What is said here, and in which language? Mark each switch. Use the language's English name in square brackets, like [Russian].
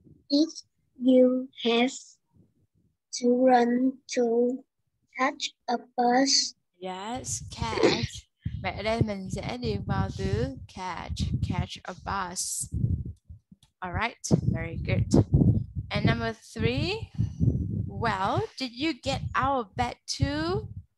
[English] If you have to run to catch a bus. Yes, catch. [Vietnamese] Vậy đây mình sẽ điền vào từ [English] catch a bus. All right, very good. And number three, well, did you get out of bed too?